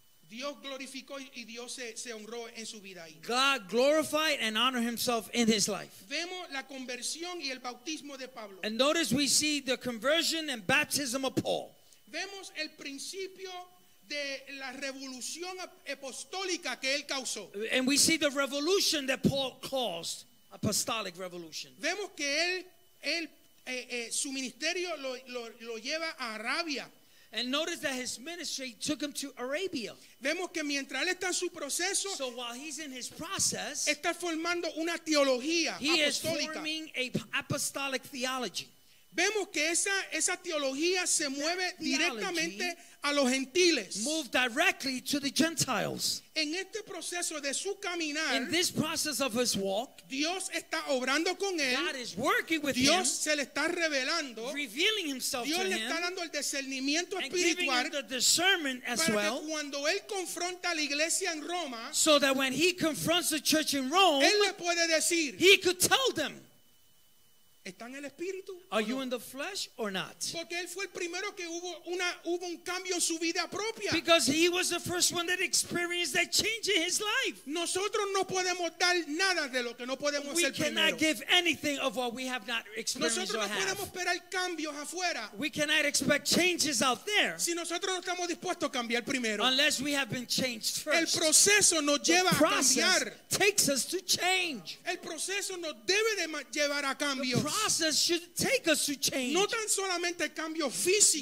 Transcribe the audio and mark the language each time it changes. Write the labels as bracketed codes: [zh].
[es] Dios glorificó y Dios se honró en su vida. [en] God glorified and honored himself in his life. [es] Vemos la conversión y el bautismo de Pablo. [en] And notice we see the conversion and baptism of Paul. [es] Vemos el principio de la revolución apostólica que él causó. [en] And we see the revolution that Paul caused, apostolic revolution. [es] Vemos que él su ministerio lo lleva a Arabia. [en] And notice that his ministry took him to Arabia. [es] Vemos que mientras él está en su proceso, [en] so while he's in his process, [es] está formando una teología [en] he [es] apostólica. [en] Is forming a apostolic theology. [es] Vemos que esa teología se mueve directamente a los gentiles. [en] Move directly to the Gentiles. [es] En este proceso de su caminar, [en] in this process of his walk, [es] Dios está obrando con él. [en] God is working with [es] Dios [en] him. [es] Dios se le está revelando. [en] Revealing himself [es] Dios [en] to [es] le [en] him, [es] está dando el discernimiento espiritual. [en] And giving him the discernment as well. [es] Para que cuando él confronta a la iglesia en Roma, [en] so that when he confronts the church in Rome, [es] él le puede decir, [en] he could tell them, [es] ¿está en el espíritu? [en] Are you in the flesh or not? [es] Porque él fue el primero que hubo un cambio en su vida propia. [en] Because he was the first one that experienced that change in his life. [es] Nosotros no podemos dar nada de lo que no podemos ser primero. [en] We cannot give anything of what we have not experienced. [es] Nosotros no [en] or have. [es] Podemos esperar cambios afuera. [en] We cannot expect changes out there. [es] Si nosotros no estamos dispuestos a cambiar primero. [en] Unless we have been changed first. [es] El proceso nos lleva [en] the process [es] a cambiar. [en] Takes us to change. [es] El proceso nos debe de llevar a cambios. [en] The process should take us to change. [es] No tan solamente cambios físicos,